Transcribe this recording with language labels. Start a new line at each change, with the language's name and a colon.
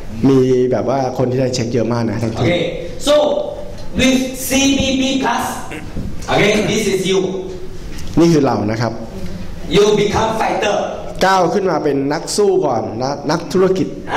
Thai: มีแบบว่าคนที่ได้เช็คเยอะมากนะทั้งทีโอเค
English: so with CBP plusOkay, this is you.
Thai: นี่คือเรานะครับ
English: You become fighter.
Thai: ก้าวขึ้นมาเป็นนักสู้ก่อนนักธุรกิจ